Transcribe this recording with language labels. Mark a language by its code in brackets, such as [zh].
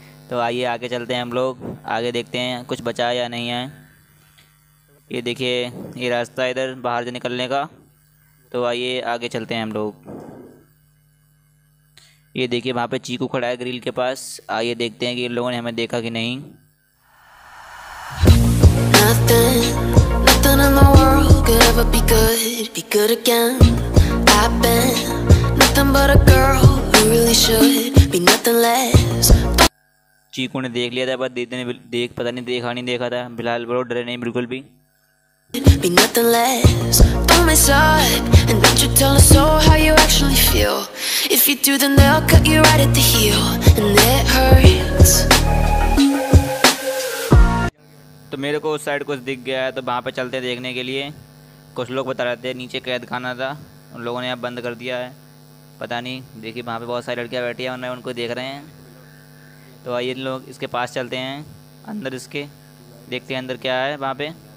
[hi] तो आइए आगे चलते हैं हम लोग, आगे देखते हैं कुछ बचा या नहीं है। ये देखिए ये रास्ता इधर बाहर से निकलने का, तो आइए आगे चलते हैं हम लोग। ये देखिए वहाँ पे चीकू खड़ा है ग्रिल के पास, आइए देखते हैं कि लोगों ने हमें देखा कि नहीं। [en] Nothing in the world could ever be good again. I've been nothing but a girl who really should be nothing less. [hi] चीकू ने देख लिया था, पर दीदी ने देख पता नहीं देखा नहीं देखा था। बिलाल ब्रो डरे नहीं बिल्कुल भी। [en] Be nothing less. Don't mess up and don't you tell us all how you actually feel. If you do, then they'll cut you right at the heel and it hurts. [hi] तो मेरे को उस side कुछ दिख गया है, तो वहाँ पे चलते हैं देखने के लिए। कुछ लोग बता रहे थे नीचे कैद खाना था, उन लोगों ने अब बंद कर दिया है, पता नहीं। देखिए वहाँ पे बहुत सारी लड़कियाँ बैठी हैं, उनको देख रहे हैं। तो आइए इन लोग इसके पास चलते हैं अंदर, इसके देखते हैं अंदर क्या है वहाँ पे।